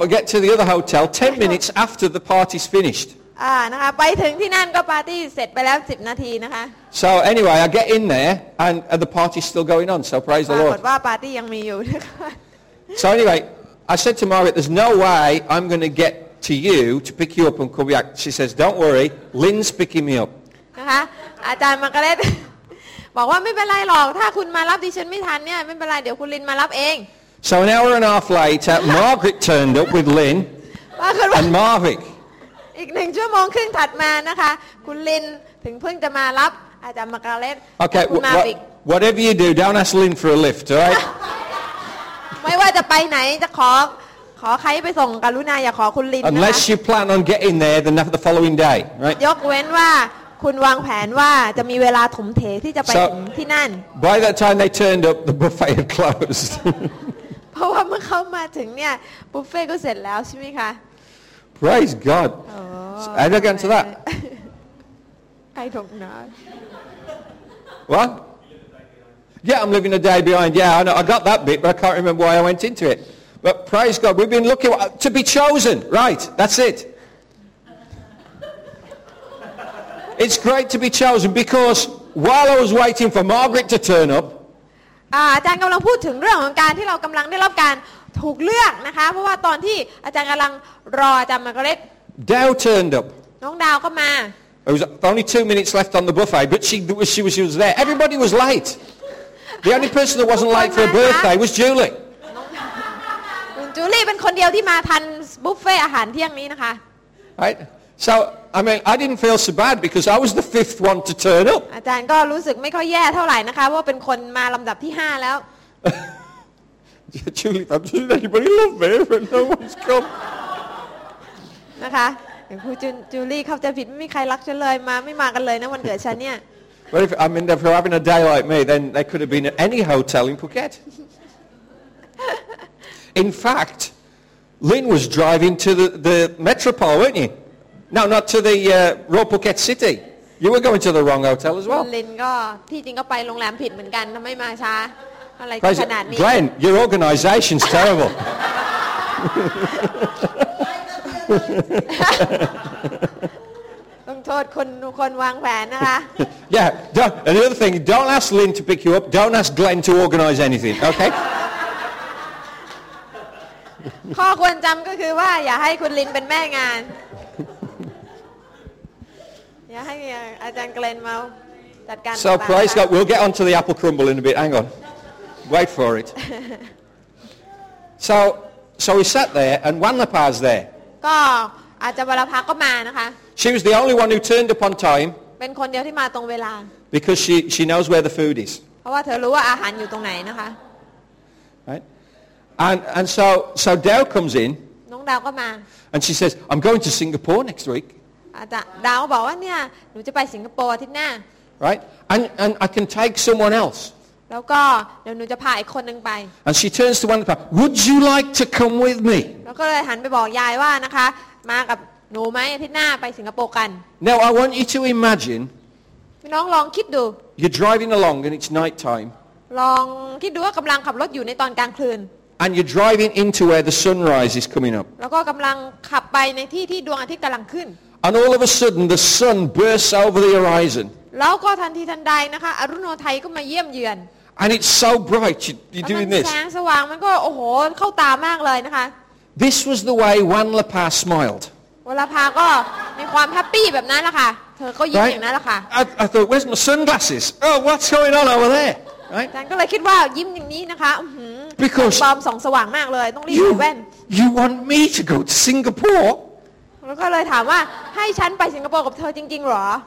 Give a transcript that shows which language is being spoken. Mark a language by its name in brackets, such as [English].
[English] I get to the other hotel 10 minutes after the party's finished. [Thai] นะคะไปถึงที่นั่นก็ปาร์ตี้เสร็จไปแล้ว10นาทีนะคะ [English] So anyway, I get in there and the party's still going on. So praise the Lord. [Thai] ปรากฏว่าปาร์ตี้ยังมีอยู่นะคะ [English] So anyway, I said to Margaret, "There's no way I'm going to get to you to pick you up and come back." She says, "Don't worry, Lynn's picking me up." [Thai] นะคะอาจารย์มาร์กาเร็ตบอกว่าไม่เป็นไรหรอกถ้าคุณมารับดิฉันไม่ทันเนี่ยไม่เป็นไรเดี๋ยวคุณลินมารับเอง [English] So an hour and a half later Margaret turned up with Lynn and Marvick [Thai] อีก1ชั่วโมงครึ่งถัดมานะคะคุณลินถึงเพิ่งจะมารับอาจารย์มาการ์เล็ต [English] Okay whatever you do don't ask Lynn for a lift all right [Thai] ไม่ว่าจะไปไหนจะขอใครไปส่งกรุณาอย่าขอคุณลินนะ [English] Unless you plan on getting there the night of the following day right [Thai] ยกเว้นว่าคุณวางแผนว่าจะมีเวลาถมเทที่จะไปถึงที่นั่น [English] By that time they turned up the buffet had closed [Thai] เพราะว่าเมื่อเขามาถึงเนี่ยบุฟเฟ่ก็เสร็จแล้วใช่ไหมคะ [English] Praise God I don't answer that I don't know What Yeah I'm living a day behind Yeah I know I got that bit but I can't remember why I went into it But praise God we've been looking to be chosen Right that's itIt's great to be chosen because while I was waiting for Margaret to turn up, [Thai] อาจารย์กำลังพูดถึงเรื่องของการที่เรากำลังได้รับการถูกเลือกนะคะเพราะว่าตอนที่อาจารย์กำลังรออาจารย์มาร์กาเร็ต [English] Dale turned up. [Thai] น้องดาวก็มา [English] It was only 2 minutes left on the buffet, but she was there. Everybody was late. The only person that wasn't late for her birthday was Julie. [Thai] จูลี่เป็นคนเดียวที่มาทันบุฟเฟ่อาหารเที่ยงนี้นะคะ [English] Right. So I mean I didn't feel so bad because I was the fifth one to turn up. [Thai] อาจารย์ก็รู้สึกไม่ค่อยแย่เท่าไหร่นะคะว่าเป็นคนมาลำดับที่ห้าแล้ว [English] Julie, I'm just anybody love me but no one's come. [Thai] นะคะอย่างจูลี่เข้าใจผิดไม่มีใครรักฉันเลยมาไม่มากันเลยนะวันเกิดฉันเนี่ย [English] But if I mean if you're having a day like me then they could have been at any hotel in Phuket. In fact, Lynn was driving to the Metropole, weren't you? No, not to the Royal Phuket City. You were going to the wrong hotel as well. [Thai] Lynn ก็ที่จริงก็ไปโรงแรมผิดเหมือนกันทำไมมาช้าอะไรขนาดนี้ [English] Glenn, your organization's terrible. [Thai] ต้องโทษคนวางแผนนะคะ [English] Yeah, and the other thing, don't ask Lynn to pick you up. Don't ask Glenn to organize anything, okay? [Thai] ข้อควรจำก็คือว่าอย่าให้คุณลินเป็นแม่งานอย่าให้อาจารย์เกรนมาจัดการ [English] So praise God, we'll get onto the apple crumble in a bit. Hang on, wait for it. So we sat there and Wanlapa's there. [Thai] ก็อาจารย์วรภาก็มานะคะ [English] She was the only one who turned up on time. [Thai] เป็นคนเดียวที่มาตรงเวลา [English] Because she knows where the food is. [Thai] เพราะว่าเธอรู้ว่าอาหารอยู่ตรงไหนนะคะ [English] Right. And so Dao comes in. [Thai] น้องดาวก็มา [English] And she says, I'm going to Singapore next week. [Thai] ดาวบอกว่าเนี่ยหนูจะไปสิงคโปร์อาทิตย์หน้า [English] Right? And I can take someone else. [Thai] แล้วก็เดี๋ยวหนูจะพาอีกคนนึงไป [English] And she turns to one of the people, Would you like to come with me? [Thai] แล้วก็เลยหันไปบอกยายว่านะคะมากับหนูไหมอาทิตย์หน้าไปสิงคโปร์กัน [English] Now I want you to imagine. [Thai] น้องลองคิดดู [English] You're driving along and it's night time. [Thai] ลองคิดดูว่ากำลังขับรถอยู่ในตอนกลางคืน [English] And you're driving into where the sunrise is coming up. [Thai] แล้วก็กำลังขับไปในที่ที่ดวงอาทิตย์กำลังขึ้น [English] And all of a sudden, the sun bursts over the horizon. [Thai] แล้วก็ทันทีทันใดนะคะอรุณโอทัยก็มาเยี่ยมเยือน [English] And it's so bright. You're doing this. [Thai] แสงสว่างมันก็โอ้โหเข้าตามากเลยนะคะ [English] This was the way Wanlapa smiled. [Thai] วันละพาก็มีความแฮปปี้แบบนั้นล่ะค่ะเธอก็ยิ้มอย่างนั้นล่ะค่ะ [English] I thought, where's my sunglasses? Oh, what's going on over there? [Thai] ก็เลยคิดว่ายิ้มอย่างนี้นะคะอื้อหือความส่องสว่างมากเลยต้องรีบใส่แว่น [English] You want me to go to Singapore [Thai] แล้วก็เลยถามว่าให้ฉันไปสิงคโปร์กับเธอจริงๆหรอ